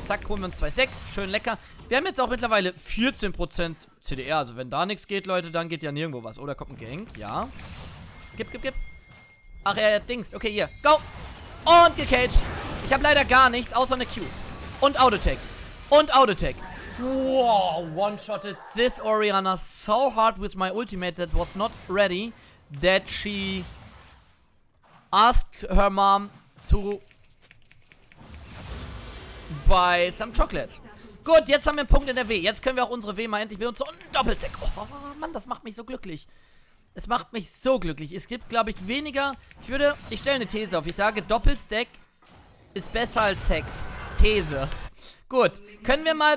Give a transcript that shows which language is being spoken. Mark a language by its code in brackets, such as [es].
[de] Zack, holen wir uns 2-6. Schön lecker. Wir haben jetzt auch mittlerweile 14% CDR. Also, wenn da nichts geht, Leute, dann geht ja nirgendwo was. Oh, da kommt ein Gank. Ja. Gib, gib, gib. Ach, er hat Dings. Okay, hier. Go. Und gecaged. Ich habe leider gar nichts, außer eine Q. Und Auto-Tag. Und Auto-Tag. Wow. [en] One-shotted this Orianna so hard with my ultimate that was not ready that she asked her mom to buy some chocolate. [de] Gut, jetzt haben wir einen Punkt in der W. Jetzt können wir auch unsere W mal endlich benutzen. Und Doppeltag. Oh, Mann, das macht mich so glücklich. Es macht mich so glücklich. Es gibt, glaube ich, weniger... Ich stelle eine These auf. Ich sage, Doppelstack ist besser als Sex. These. Gut. Können wir mal...